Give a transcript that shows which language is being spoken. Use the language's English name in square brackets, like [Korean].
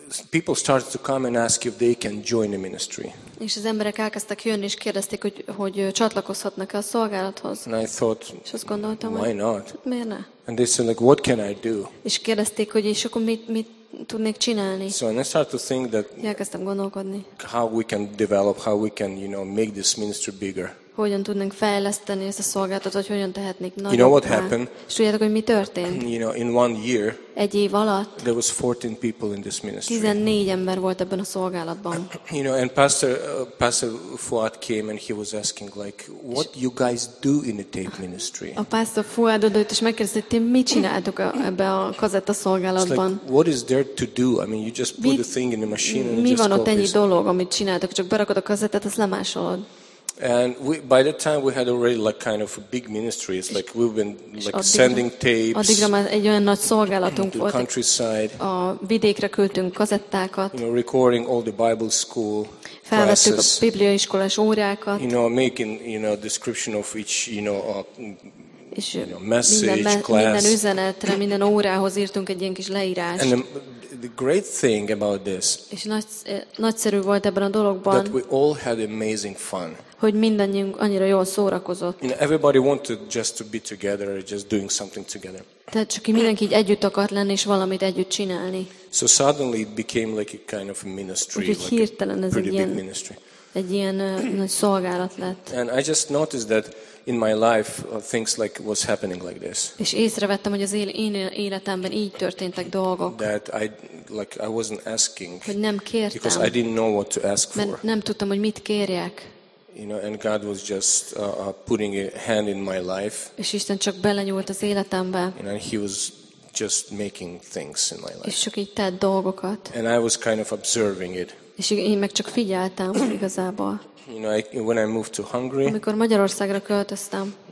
[English] people started to come and ask if they can join the ministry. [Hungarian] És az emberek elkezdtek jönni és kérdezték, hogy csatlakozhatnak a szolgálathoz. [English] And I thought, [Hungarian] és azt gondoltam, [English] why not? [Hungarian] Miért ne? [English] And they said, like, what can I do? [Hungarian] És kérdezték, hogy és akkor mit tudnék csinálni? [English] So I started to think that. [Hungarian] Elkezdtem gondolkodni. [English] How we can develop, how we can, you know, make this ministry bigger. [Hungarian] Hogyan tudnánk fejleszteni ezt a szolgálatot, vagy hogyan tehetnék nagyobbá? [English] You know what happened? [Hungarian] És tudjátok, hogy mi történt? [English] You know, in one year, [Hungarian] egy év alatt, [English] there was 14 people in this ministry. [Hungarian] 14 ember volt ebben a szolgálatban. [English] You know, and Pastor Fuad came and he was asking like, what you guys do in the tape ministry? [Hungarian] A Pastor Fuad odajött és megkérdezte, hogy mit csináltok ebben a kazetta szolgálatban? [English] It's like, what is there to do? I mean, you just put the thing in the machine and [Hungarian] mi [English] just [Hungarian] van ott ennyi dolog, amit csináltok? Csak berakod a kazettát, azt lemásolod. [English] And we, by that time we had already like kind of a big ministry. It's like we've been like sending tapes. [Hungarian] Addigra már egy olyan nagy szolgálatunk volt. [English] To the countryside. [Hungarian] A vidékre küldtünk kazettákat. [English] You know, recording all the Bible school classes. [Hungarian] Felvettük a bibliaiskolás órákat. [English] You know, making, you know, description of each, you know, message, class. [Hungarian] Minden üzenetre, minden órához írtunk egy ilyen kis leírást. [English] And the great thing about this. [Hungarian] És nagyszerű volt ebben a dologban. [English] That we all had amazing fun. [Hungarian] Hogy mindannyiunk annyira jól szórakozott. [English] You know, everybody wanted just to be together, just doing something together. [Hungarian] Tehát csak mindenki így együtt akart lenni és valamit együtt csinálni. [English] So suddenly it became like a kind of a ministry. [Hungarian] Úgyhogy like hirtelen ez egy ilyen, nagy szolgálat lett. [English] And I just noticed that in my life things like was happening like this. [Hungarian] És észrevettem, hogy az én életemben így történtek dolgok. [English] That I like I wasn't asking. [Hungarian] Hogy nem kértem. [English] Because I didn't know what to ask for. [Hungarian] Mert nem tudtam, hogy mit kérjek. [English] You know, and God was just putting a hand in my life. [Hungarian] És Isten csak belenyúlt az életembe. [English] And he was just making things in my life. [Hungarian] És csak így tett dolgokat. [English] And I was kind of observing it. [Hungarian] És én meg csak figyeltem igazából. [English] You know, when I moved to Hungary. [Hungarian] Amikor Magyarországra költöztem.